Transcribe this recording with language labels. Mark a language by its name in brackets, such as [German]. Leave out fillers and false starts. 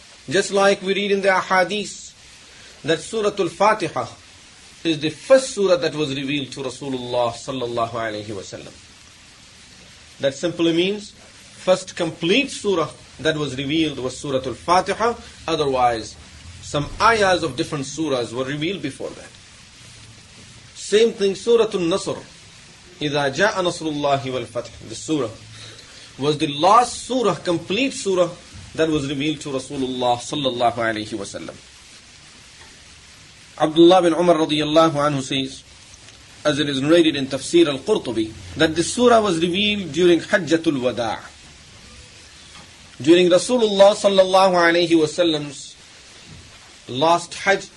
[English] Just like we read in the ahadith that Surah Al-Fatiha is the first surah that was revealed to Rasulullah sallallahu alayhi wa sallam. That simply means first complete surah that was revealed was Surah Al-Fatiha. Otherwise, some ayahs of different surahs were revealed before that. Same thing, [Arabic] Surah An-Nasr, إِذَا جَاءَ نَصْرُ اللَّهِ وَالْفَتْحِ. [English] This surah was the last surah, complete surah, that was revealed to Rasulullah sallallahu alayhi wa sallam. Abdullah bin Umar radiyallahu anhu says, as it is narrated in Tafsir al-Qurtubi, that this surah was revealed during Hajjatul Wada', during Rasulullah sallallahu alayhi wa sallam's last hajj.